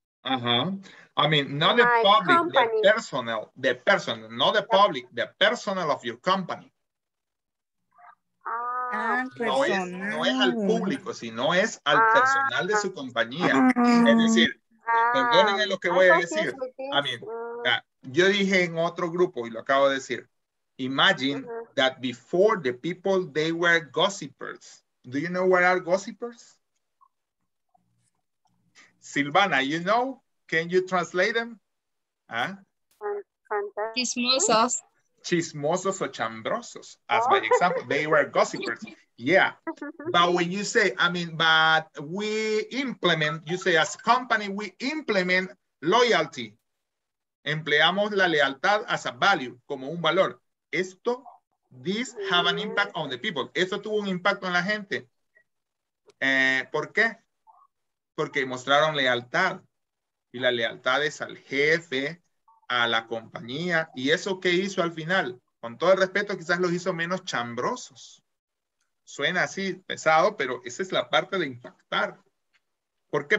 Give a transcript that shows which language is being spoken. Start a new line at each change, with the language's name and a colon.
English: Uh-huh. I mean, not the public, company. The personnel, the person, not the public, the personnel of your company.
Spanish: No es al público, sino es al personal de su compañía. Es decir, perdónenme lo que voy a decir. I mean, yo dije en otro grupo y lo acabo de decir.
English: Imagine that before the people, they were gossipers. Do you know what are gossipers? Silvana, you know? Can you translate them?
Spanish: Chismosos. Chismosos o chambrosos.
English: As my example, they were gossipers. Yeah. But when you say, I mean, but we implement, you say as company, we implement loyalty.
Spanish: Empleamos la lealtad
English: as a value,
Spanish: como un valor. Esto,
English: this have an impact on the people.
Spanish: Esto tuvo un impacto en la gente. ¿Por qué? Porque mostraron lealtad, y la lealtad es al jefe, a la compañía, y eso que hizo al final, con todo el respeto, quizás los hizo menos chambrosos. Suena así, pesado, pero esa es la parte de impactar. ¿Por qué?